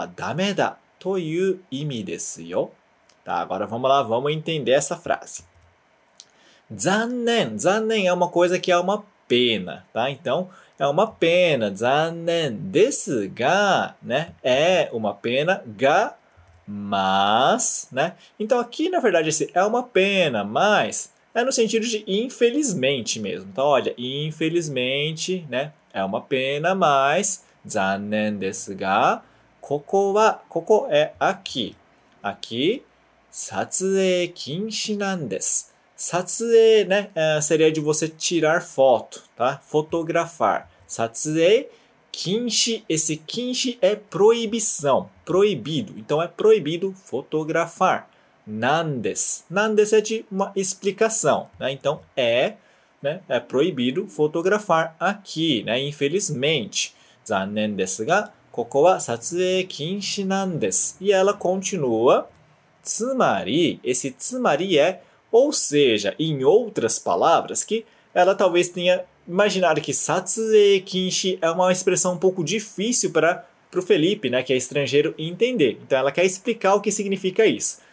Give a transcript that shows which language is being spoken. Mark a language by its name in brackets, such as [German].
[Japanese] 残念ですが、ここは撮影禁止なんです。つまり、写真を撮ってはダメだという意味ですよ。 [Portuguese] Tá, agora vamos lá, vamos entender essa frase. 残念 é uma coisa que é uma pena, tá? Então, é uma pena. [Japanese] 残念ですが, [Portuguese] né? É uma pena. Ga, mas, né? Então, aqui, na verdade, esse é uma pena, mas é no sentido de infelizmente mesmo. Então, olha, infelizmente, né? É uma pena, mas [Japanese] 残念ですが, [Portuguese] ここ é aqui. Aqui, [Japanese] 撮影禁止なんです. [Portuguese] 撮影, né, seria de você tirar foto, tá? Fotografar. 撮影禁止, esse 禁止 é proibição, proibido. Então, é proibido fotografar. なんです é de uma explicação, né? Então, é proibido fotografar aqui, né? Infelizmente. [Japanese] 残念ですが, ここは撮影禁止なんです. [Portuguese] E ela continua. Tsumari, esse tsumari é, ou seja, em outras palavras, que ela talvez tenha imaginado que satsuei kinshi é uma expressão um pouco difícil para o Felipe, né, que é estrangeiro, entender. Então ela quer explicar o que significa isso.